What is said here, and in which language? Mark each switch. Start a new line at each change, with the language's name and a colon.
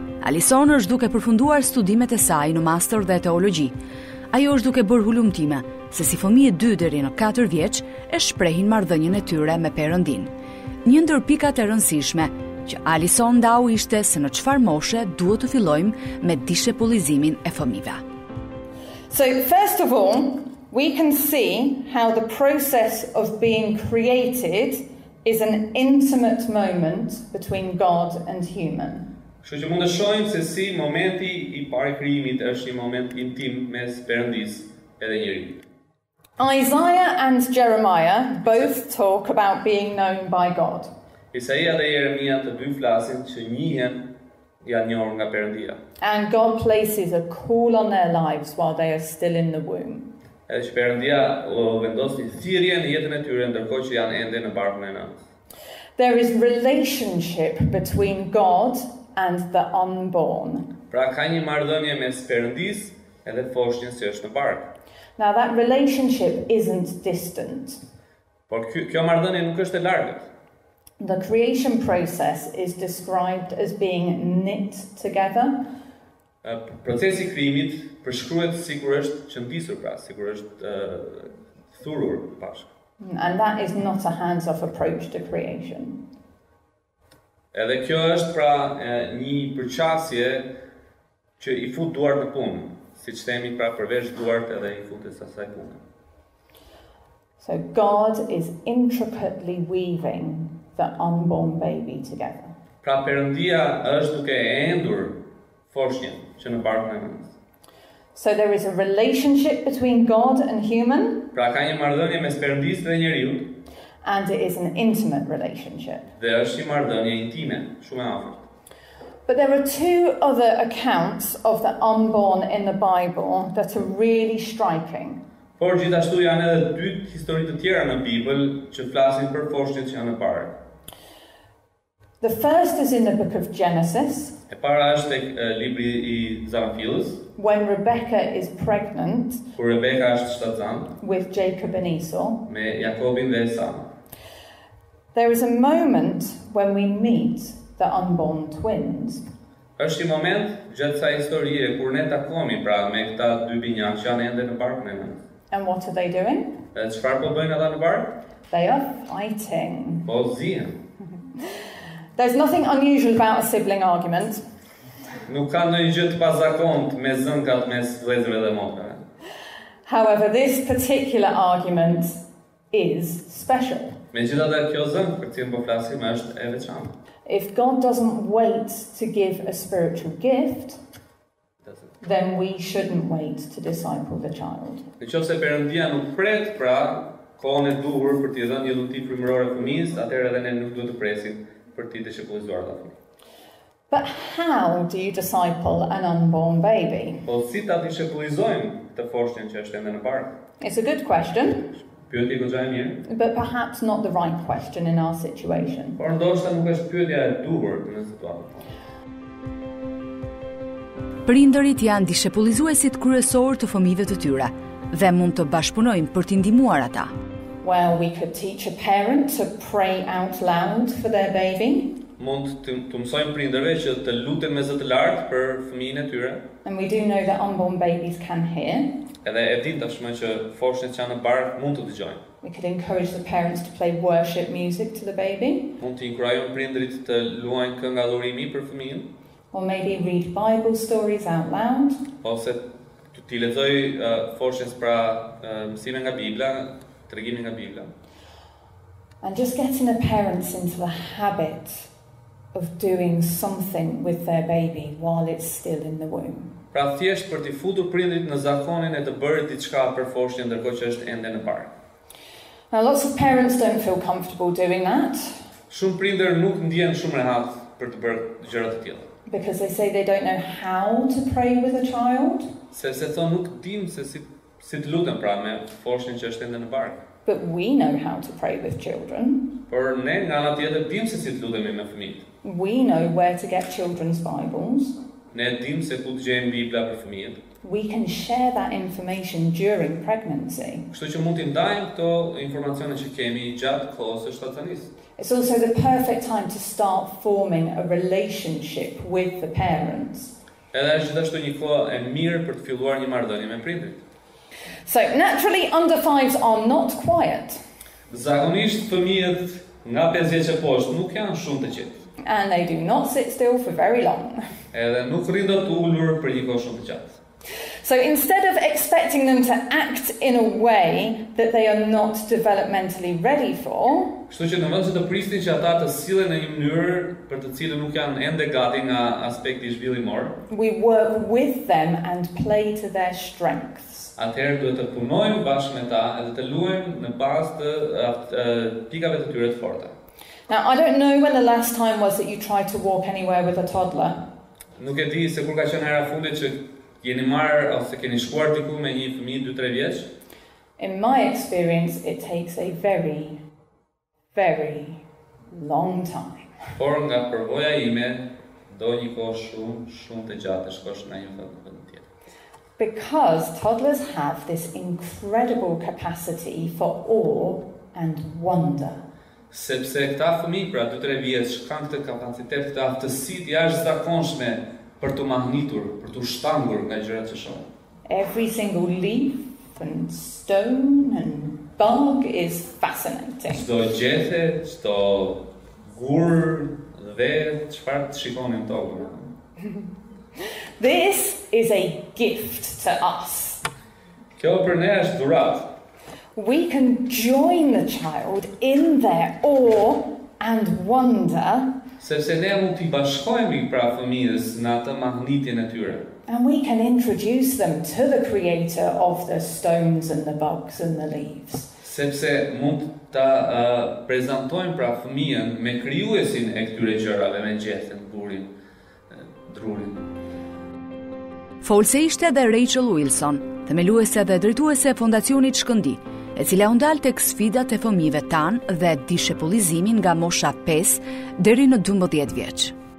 Albanian: Alison është duke përfunduar studimet e saj në master dhe teologji. Ajo është duke bërë hulumtime se si fëmijë 2 deri në 4 vjeç e shprehin marrëdhënien e tyre me Perëndinë. Një ndër pikat e rëndësishme që Alison ndau ishte se në çfarë moshe duhet të fillojmë me dishepullizimin e fëmijëve.
English: So first of all, we can see how the process of being created is an intimate moment between God and human.
Albanian: Kështu që mund të shohim se si momenti i parëkrijimit është një moment intim mes Perëndisë edhe njeriu.
English: Isaiah and Jeremiah both talk about being known by God.
Albanian: Isaiah dhe Jeremia të dy flasin që njihen janë njohur nga Perëndia.
English: And God places a call on their lives while they are still in the womb.
Albanian: Edhe që Perëndia vendos një thirrje në jetën e tyre ndërkohë që janë ende në barkun e nënës.
English: There is relationship between God and the unborn.
Albanian: Pra ka një marrëdhënie mes Perëndisë edhe foshnjës që është në bark.
English: Now that relationship isn't distant.
Albanian: Por kjo marrëdhënie nuk është e largët.
English: The creation process is described as being knit together.
Albanian: Procesi i krijimit përshkruhet sikur është qëndisur, pra sikur është thurur bashk.
English: And that is not a hands-off approach to creation.
Albanian: Edhe kjo është pra një përqasje që I fut duart në punë, siç themi pra përveç duart edhe I futet asaj punë.
English: So God is intricately weaving the unborn baby together.
Albanian: Pra Perëndia është duke e endur foshnjën që në barkun e mamës.
English: So there is a relationship between God and human.
Albanian: Pra ka një marrëdhënie mes Perëndisë dhe njeriut.
English: And it is an intimate relationship.
Albanian: Dhe është një marrëdhënie intime, shumë e afërt.
English: But there are two other accounts of the unborn in the Bible that are really striking.
Albanian: Por gjithashtu janë edhe dy histori të tjera në Bibël që flasin për foshnjët që janë në parë.
English: The first is in the book of Genesis.
Albanian: E para është tek libri I Zanfilës.
English: When Rebecca is pregnant.
Albanian: Kur Rebecca është shtatzan.
English: With Jacob and Esau.
Albanian: Me Jakobin dhe Esau.
English: There is a moment when we meet the unborn twins.
Albanian: Është një moment gjatë kësaj historie kur ne takohemi pra me këta dy binjak që janë ende në barkun e mamës.
English: And what are they doing?
Albanian: Çfarë po bëjnë ata në barkë?
English: They are fighting.
Albanian: Po zien.
English: There's nothing unusual about a sibling argument.
Albanian: Nuk ka ndonjë gjë të pazakontë me zënkat mes vëllezërve dhe motrave.
English: However, this particular argument is special.
Albanian: Megjithatë, kjo zënkë për cilën po flasim është e veçantë.
English: If God doesn't wait to give a spiritual gift, then we shouldn't wait to disciple the child.
Albanian: Nëse Perëndia nuk pret pra kohën e duhur për t'i dhënë një udhëtim frymërorë fëmijës, atëherë edhe ne nuk duhet të presim për t'i dishepullizuar ata.
English: But how do you disciple an unborn baby?
Albanian: Po si ta dishepullizojmë të foshnjën që është ende në barkë?
English: It's a good question.
Albanian: Pyetja është e mirë.
English: But perhaps not the right question in our situation.
Albanian: Por ndoshta nuk është pyetja e duhur në situatën. Prindërit janë dishepullizuesit kryesor të fëmijëve të tyre dhe mund të bashkëpunojmë për t'i ndihmuar ata.
English: Well, we could teach a parent to pray out loud for their baby.
Albanian: Mund të mësojmë prindërve që të luten me zë të lartë për fëmijën e tyre.
English: And we do know that unborn babies can hear.
Albanian: Edhe e dim tashmë që foshnjët që janë në barkë mund të dëgjojnë.
English: We could encourage the parents to play worship music to the baby.
Albanian: Mund të inkurajojmë prindërit të luajnë këngë adhurimi për fëmijën.
English: Or maybe read Bible stories out loud.
Albanian: Ose t'i lexoj foshnjës pra mësime nga Bibla, tregime nga Bibla.
English: And just getting the parents into the habit of doing something with their baby while it's still in the womb.
Albanian: Pra thjesht për t'i futur prindrit në zakonin e të bërit diçka për foshnjën ndërkohë që është ende në barkë.
English: Now lots of parents don't feel comfortable doing that.
Albanian: Shumë prindër nuk ndjehen shumë rehat për të bërë gjëra të tilla.
English: Because they say they don't know how to pray with a child.
Albanian: Se thon nuk dim se si të lutem pra me foshnjën që është ende në barkë.
English: But we know how to pray with children.
Albanian: Por ne nga ana tjetër dim se si të lutemi me fëmijët.
English: We know where to get children's Bibles.
Albanian: Ne dim se ku të gjejmë Bibla për fëmijët.
English: We can share that information during pregnancy.
Albanian: Kështu që mund t'i ndajmë këto informacione që kemi gjatë kohës së shtatzënisë.
English: It's also the perfect time to start forming a relationship with the parents.
Albanian: Edhe është gjithashtu një kohë e mirë për të filluar një marrëdhënie me prindrit.
English: So naturally under fives are not quiet.
Albanian: Zakonisht fëmijët nga 5 vjeç e poshtë nuk janë shumë të qetë.
English: And they do not sit still for very long.
Albanian: Edhe nuk rrin dot ulur për një kohë shumë të gjatë.
English: So instead of expecting them to act in a way that they are not developmentally ready for,
Albanian: kështu që në vend se të prisni që ata të sillen në një mënyrë për të cilën nuk janë ende gati nga aspekti zhvillimor,
English: we work with them and play to their strengths.
Albanian: Atëherë duhet të punojmë bashkë me ta edhe të luajmë në bazë të pikave të tyre të forta.
English: Now I don't know when the last time was that you tried to walk anywhere with a toddler.
Albanian: Nuk e di se kur ka qenë hera fundit që jeni marr ose keni shkuar diku me një fëmijë 2-3 vjeç.
English: In my experience it takes a very very long time.
Albanian: Por nga përvoja ime do një kohë shumë shumë të gjatë shkosh në një fëmijë tjetër.
English: Because toddlers have this incredible capacity for awe and wonder.
Albanian: Sepse këta fëmijë pra 2-3 vjeç kanë këtë kapacitet të aftësi të jashtëzakonshme për të mahnitur, për të shtangur nga gjërat që shohin.
English: Every single leaf and stone and bug is fascinating.
Albanian: Çdo gjethe, çdo gur dhe çfarë të shikoni në tokë.
English: This is a gift to us.
Albanian: Kjo për ne është dhuratë.
English: We can join the child in their awe and wonder.
Albanian: Sepse ne mund t'i bashkojmë pra fëmijës në atë mahnitjen e tyre.
English: And we can introduce them to the creator of the stones and the bugs and the leaves.
Albanian: Sepse mund ta prezantojmë pra fëmijën me krijuesin e këtyre gjërave, me gjethen, gurin, drurin. Folse ishte dhe Rachel Wilson, themeluese dhe drejtuese e Fondacionit Shkëndijë, e cila u ndal tek sfidat e fëmijëve tan dhe dishepullizimin nga mosha 5 deri në 12 vjeç.